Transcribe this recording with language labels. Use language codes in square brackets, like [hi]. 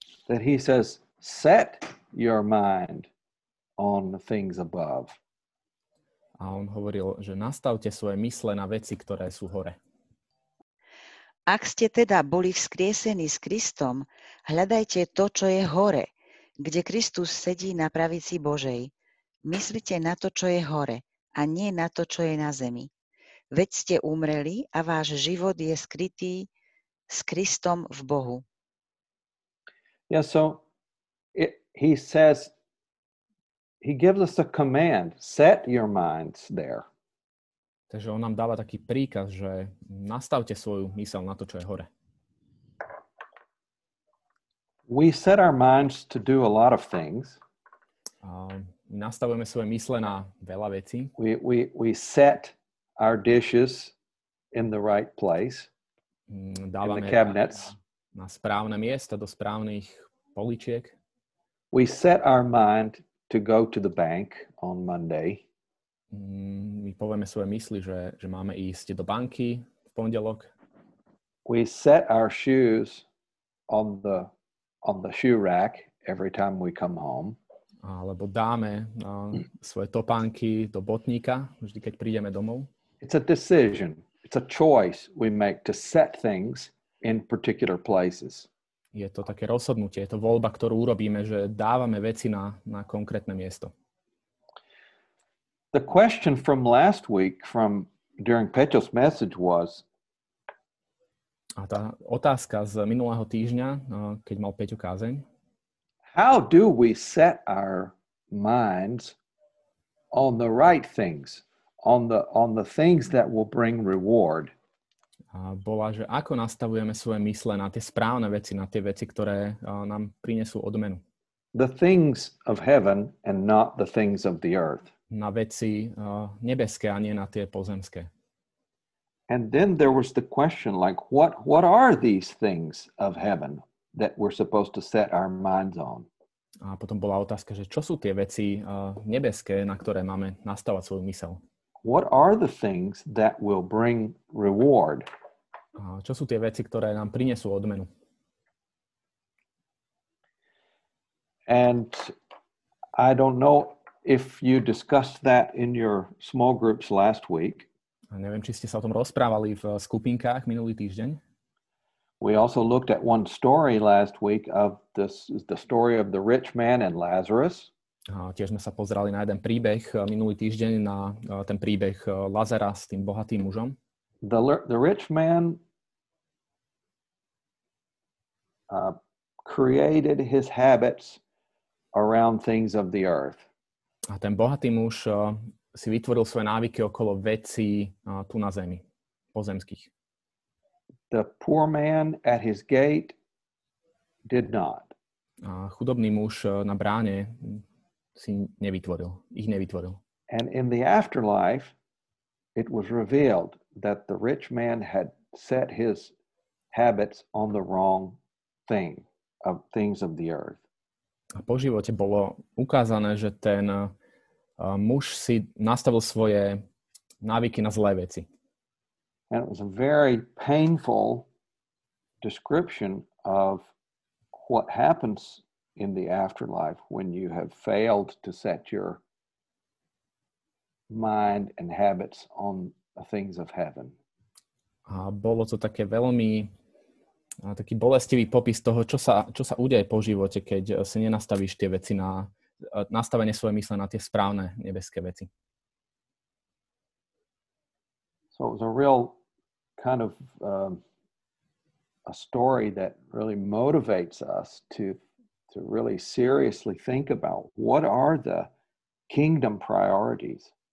[en] That he says, set your mind on the things above. [sk] A on hovoril, že nastavte svoje mysle na veci, ktoré sú hore. Ak ste teda boli vzkriesení s Kristom, hľadajte to, čo je hore, kde Kristus sedí na pravici Božej. Myslite na to, čo je hore, a nie na to, čo je na zemi. Veď ste umreli a váš život je skrytý s Kristom v Bohu. [en] Yeah, so he says, he gives us a command, set your minds there. [sk] Takže on nám dáva taký príkaz, že nastavte svoju myseľ na to, čo je hore. [en] We set our minds to do a lot of things. [sk] Nastavujeme svoje mysle na veľa vecí. [en] We set our dishes in the right place. [sk] Dávame [en] in the cabinets. [sk] Na správne miesta, do správnych poličiek. [en] We set our mind to go to the bank on Monday. [sk] My povieme svoje mysli, že máme ísť do banky v pondelok. [en] We set our shoes on the shoe rack every time we come home. [sk] Alebo dáme svoje topánky do botníka, vždy keď prídeme domov. [en] It's a decision. It's a choice we make to set things in particular places. [sk] Je to také rozhodnutie, je to voľba, ktorú urobíme, že dávame veci na konkrétne miesto. [en] The question from last week from during Peťo's message was. [sk] A tá otázka z minulého týždňa, keď mal Peťo kázeň. [en] How do we set our minds on the right things, on the things that will bring reward? [sk] A bola, že ako nastavujeme svoje mysle na tie správne veci, na tie veci, ktoré nám prinesú odmenu. [en] The things of heaven and not the things of the earth. [sk] Na veci nebeské a nie na tie pozemské. [en] And then there was the question, like, what are these things of heaven that we're supposed to set our minds on? [sk] A potom bola otázka, že čo sú tie veci nebeské, na ktoré máme nastavať svoju mysel? [en] What are the things that will bring reward? [sk] A čo sú tie veci, ktoré nám prinesú odmenu? [en] And I don't know if you discussed that in your small groups last week. [sk] A neviem, či ste sa o tom rozprávali v skupinkách minulý týždeň. [en] We also looked at one story last week of the story of the rich man and Lazarus. [sk] A tiež sme sa pozerali na jeden príbeh minulý týždeň, na ten príbeh Lazara s tým bohatým mužom. [en] The rich man created his habits around things of the earth. [sk] A ten bohatý muž si vytvoril svoje návyky okolo vecí tu na zemi, pozemských. [en] The poor man at his gate did not. [sk] A chudobný muž na bráne si nevytvoril, ich nevytvoril. [en] And in the afterlife, it was revealed that the rich man had set his habits on the wrong thing, of things of the earth. [sk] A po živote bolo ukázané, že ten muž si nastavil svoje návyky na zlé veci. [en] And it was a very painful description of what happens in the afterlife when you have failed to set your mind and habits on the things of heaven. [sk] A bolo to také veľmi taký bolestivý popis toho, čo sa udeje po živote, keď si nenastavíš tie veci na nastavenie svoje mysle na tie správne nebeské veci. [en] So it was a real kind of a story that really motivates us to really seriously think about what are the kingdom priorities.